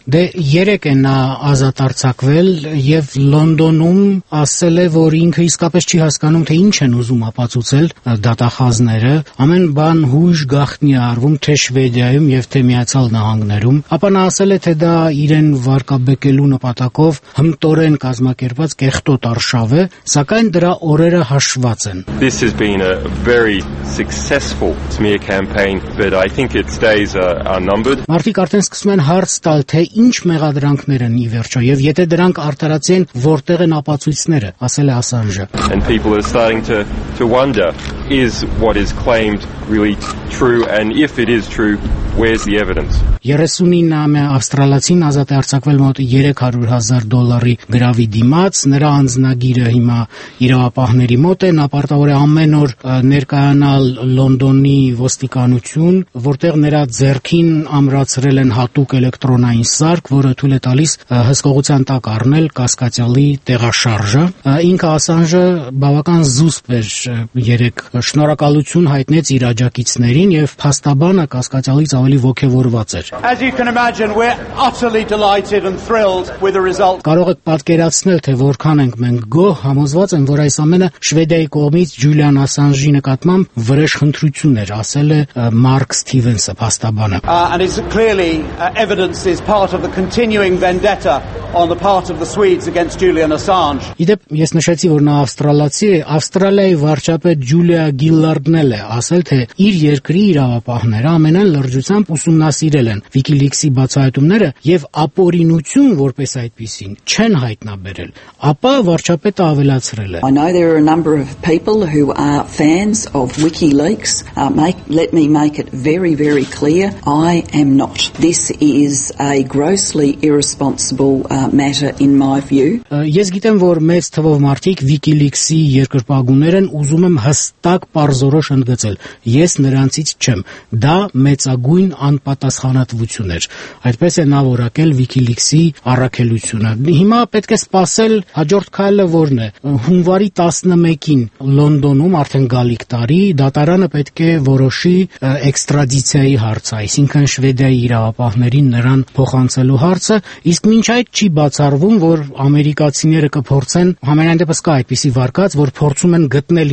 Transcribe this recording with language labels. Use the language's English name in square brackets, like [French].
[Armenian] Դե երեք է նա ազատ արձակվել և Լոնդոնում ասել է, որ ինքը իսկապես չի հասկանում, թե ինչ են ուզում ապացուցել դատախազները։ Ամեն բան հույժ գաղտնի է արվում թե Շվեդիայում և թե Միացյալ Նահանգներում։ Ապա նա ասել է, թե դա իրեն վարկաբեկելու նպատակով հմտորեն կազմակերպված կեղտոտ արշավ է, սակայն դրա օրերը հաշված են։ [English] This has been a very successful smear campaign, but I think its days are numbered. [Armenian] Մարդիկ արդեն սկսում են հարց տալ, թե ինչ մեղադրանքներ են ի վերջո, եւ եթե դրանք արդարացեն, որտեղ են ապացույցները, ասել է Ասանժը։ [English] And people are starting to wonder, is what is claimed really true, and if it is true, where's the evidence? [Armenian] 39-ամյա ավստրալացին ազատ է արձակվել մոտ $300,000 գրավի դիմաց, նրա անձնագիրը հիմա իրավապահների մոտ է, նա պարտավոր է ամեն օր ներկայանալ Լոնդոնի ոստիկանություն, որտեղ նրա ձեռքին ամրացրել են հատուկ էլեկտրոնային սարք, որը թույլ է տալիս հսկողության տակ առնել կասկածյալի տեղաշարժը։ Ինքը Ասանժը բավական զուսպ էր, երեք շնորհակալություն հայտնեց իր աջակիցներին և փաստաբանը կասկածյալից ավելի ոգևորված էր։ [English] As you can imagine, we're utterly delighted and thrilled with the result. [Armenian] Կարող եք պատկերացնել, թե որքան ենք մենք գոհ, համոզված են, որ այս ամենը Շվեդիայի կողմից Ջուլիան Ասանժի նկատմամբ վրեժ խնդրություն էր, ասել է Մարկ Սթիվենսը, փաստաբանը։ [English] And it's clearly evidence is part of the continuing vendetta on the part of the Swedes against Julian Assange. [Armenian] Իդեպ, ես նշեցի, որ նա ավստրալացի է, Ավստրալիայի վարչապետ Ջուլիա Գիլլարդն էլ է ասել, թե իր երկրի իրավապահները ամենայն լրջությամբ ուսումնասիրել են WikiLeaks-ի բացահայտումները և ապօրինություն, որպես այդպիսին, չեն հայտնաբերել։ Ապա վարչապետը ավելացրել է. [English] I know there are a number of people who are fans of WikiLeaks. Let me make it very, very clear. I am not. This is a grossly irresponsible matter in my view. [Armenian] Ես գիտեմ, որ մեծ թվով մարդիկ WikiLeaks-ի երկրպագուններ են, ուզում եմ հստակ պարզորոշ ընդգծել. Ես նրանցից չեմ։ Դա մեծագույն անպատասխանատվություն էր։ Այդպես է նա որակել WikiLeaks-ի առաքելությունը։ Հիմա պետք է սպասել հաջորդ քայլը, որն է։ Հունվարի 11-ին Լոնդոնում արդեն գալիք տարի դատարանը պետք է որոշի էքստրադիցիայի հարցը, այսինքն Շվեդիայի իրավապահներին նրան փոխանցելու հարցը, իսկ մինչ այդ չի բացառվում, որ ամերիկացիները կփորձեն, համենայն դեպս կա այդպիսի վարկած, որ փորձում են գտնել